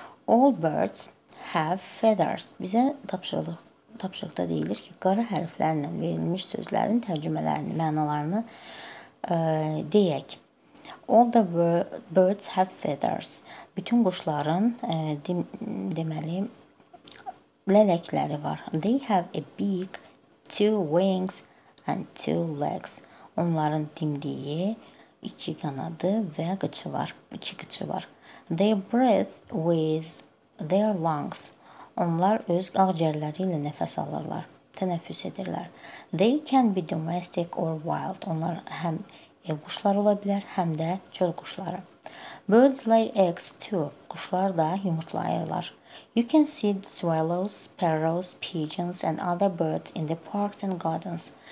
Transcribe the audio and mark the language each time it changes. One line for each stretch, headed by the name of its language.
English: All birds have feathers.
Azerbaijani: Bizə tapşırıqda deyilir ki, qara hərflərlə verilmiş sözlərin tərcümələrini, mənalarını deyək.
English: All the birds have feathers.
Azerbaijani: Bütün quşların deməli lələkləri var.
English: They have a beak, two wings and two legs.
Azerbaijani: Onların dimdiyi İki qanadı və qıçı var. İki qıçı var.
English: They breathe with their lungs.
Azerbaijani: Onlar öz ağciyərləri ilə nəfəs alırlar. Tənəffüs edirlər.
English: They can be domestic or wild.
Azerbaijani: Onlar həm ev quşları ola bilər, həm də çöl quşları.
English: Birds lay eggs too.
Azerbaijani: Quşlar da yumurtlayırlar.
English: You can see swallows, sparrows, pigeons and other birds in the parks and gardens.